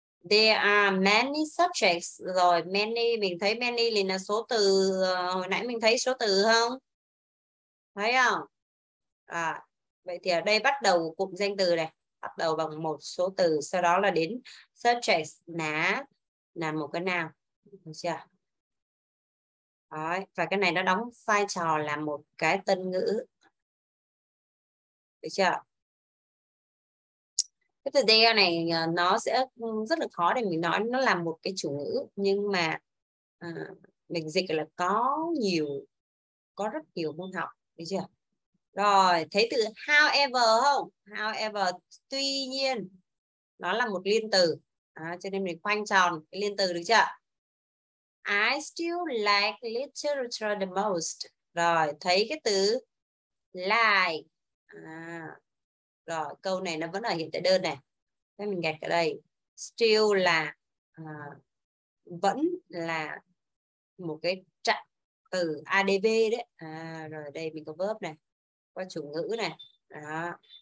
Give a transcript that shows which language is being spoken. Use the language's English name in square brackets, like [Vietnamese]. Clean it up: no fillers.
[English] There are many subjects. [Vietnamese] Rồi, many, mình thấy many liền là số từ. Hồi nãy mình thấy số từ không? Thấy không? Vậy thì ở đây bắt đầu cụm danh từ này. Bắt đầu bằng một số từ. Sau đó là đến subjects. Là một cái nào? Được chưa? Đấy, và cái này nó đóng vai trò là một cái tân ngữ. Được chưa? Cái từ there này nó sẽ rất là khó để mình nói, nó là một cái chủ ngữ nhưng mà mình dịch là có rất nhiều môn học, được chưa? Rồi, thấy từ however không? However, tuy nhiên nó là một liên từ. Cho nên mình khoanh tròn cái liên từ, được chưa? [English] I still like literature the most. [Vietnamese] Rồi, thấy cái từ like. Rồi, câu này nó vẫn ở hiện tại đơn này. Thế mình gạch ở đây. Still là vẫn là một cái trạng từ ADV đấy. Rồi đây mình có verb này. Có chủ ngữ này. Đó.